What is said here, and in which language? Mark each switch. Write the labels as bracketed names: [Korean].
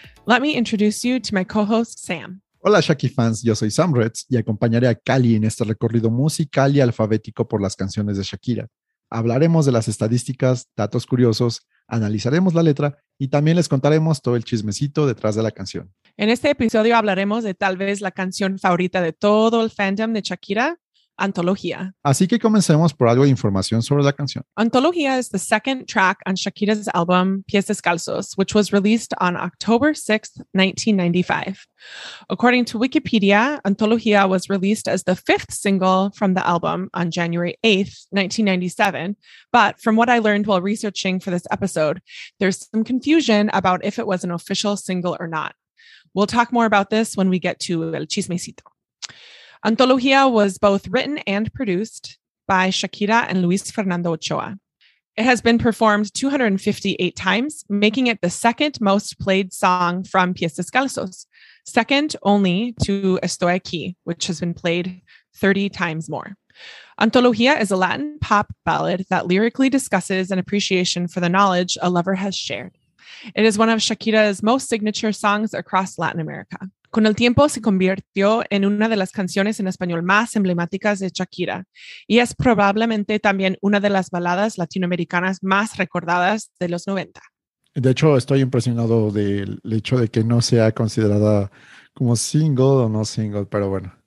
[English] Let me introduce you to my co-host Sam. [Spanish] Hola Shaki fans, yo soy Sam Retz y acompañaré a Callie en este recorrido musical y alfabético por las canciones de Shakira. Hablaremos de las estadísticas, datos curiosos, analizaremos la letra y también les contaremos todo el chismecito detrás de la canción. En este episodio hablaremos de tal vez la canción favorita de todo el fandom de Shakira, Antología. Así que comencemos por algo de información sobre la canción. [English] Antología is the second track on Shakira's album Pies Descalzos, which was released on October 6, 1995. According to Wikipedia, Antología was released as the fifth single from the album on January 8, 1997. But from what I learned while researching for this episode, there's some confusion about if it was an official single or not. We'll talk more about this when we get to El Chismecito. Antología was both written and produced by Shakira and Luis Fernando Ochoa. It has been performed 258 times, making it the second most played song from Pies Descalzos, second only to Estoy Aquí, which has been played 30 times more. Antología is a Latin pop ballad that lyrically discusses an appreciation for the knowledge a lover has shared. It is one of Shakira's most signature songs across Latin America. [Spanish] Con el tiempo se convirtió en una de las canciones en español más emblemáticas de Shakira y es probablemente también una de las baladas latinoamericanas más recordadas de los 90. De hecho, estoy impresionado del hecho de que no sea considerada como single o no single, pero bueno.